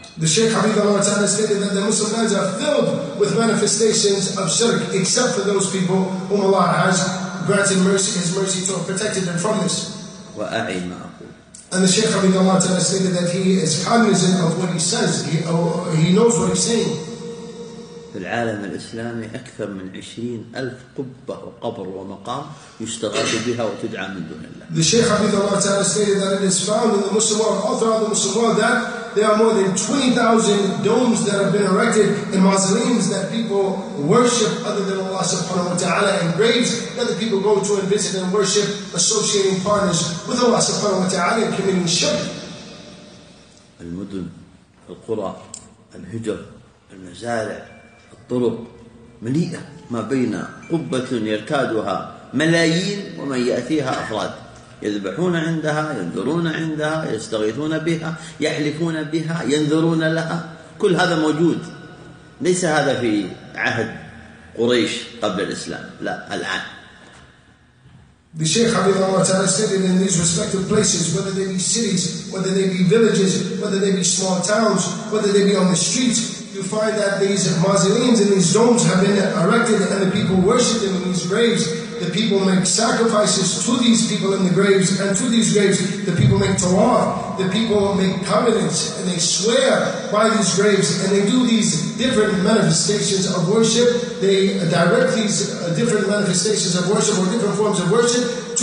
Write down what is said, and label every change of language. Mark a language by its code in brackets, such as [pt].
[en] The Shaykh [ar] حفظه الله تعالى [en] stated that the Muslim lands are filled with manifestations of shirk, except for those people whom Allah has granted mercy, His mercy to have protected them from this. [ar] وأعي ما أقول. [en] And the Shaykh [ar] حفظه الله تعالى [en] stated that he is cognizant of what he says. He knows what he's saying. [ar] في العالم الإسلامي أكثر من 20,000 قبة وقبر ومقام يستغاث بها وتدعى من دون الله. [en] The Shaykh [ar] حفظه الله تعالى [en] stated that it is found in the Muslim world, all throughout the Muslim world, that there are more than 20,000 domes that have been erected in mausoleums that people worship other than Allah subhanahu wa ta'ala, and graves that the people go to and visit and worship, associating partners with Allah subhanahu wa ta'ala and committing shirk. [ar] المدن, القرى, الهجر, المزارع, الطرق مليئة ما بين قبة يرتادها ملايين ومن يأتيها أفراد يذبحون عندها, ينذرون عندها, يستغيثون بها, يحلفون بها, ينذرون لها. كل هذا موجود, ليس هذا في عهد قريش قبل الإسلام, لا, الآن. [en] The Shaykh [ar] حفظه الله تعالى [en] stated in these respective places, whether they be cities, whether they be villages, whether they be small towns, whether they be on the streets, you find that these mausoleums and these domes have been erected and the people worship them in these graves. The people make sacrifices to these people in the graves, and to these graves the people make tawaf, the people make covenants, and they swear by these graves, and they do these different manifestations of worship. They direct these different manifestations of worship or different forms of worship to